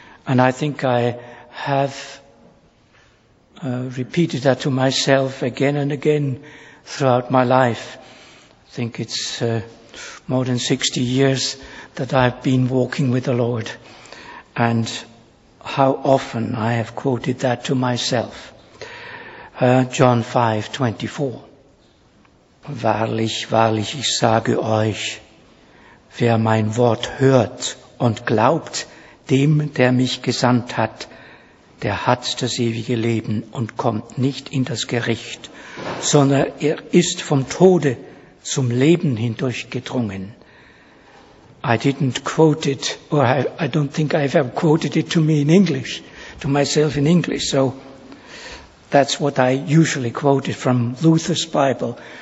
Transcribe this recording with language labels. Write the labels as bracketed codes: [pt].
[en] And I think I have repeated that to myself again and again throughout my life. I think it's more than 60 years that I've been walking with the Lord. And how often I have quoted that to myself. John 5:24. [de] Wahrlich, wahrlich, ich sage euch, wer mein Wort hört und glaubt, dem, der mich gesandt hat, der hat das ewige Leben und kommt nicht in das Gericht, sondern er ist vom Tode zum Leben hindurchgedrungen. [en] I didn't quote it, or I don't think I've ever quoted it to me in English, to myself in English, so that's what I usually quoted from Luther's Bible.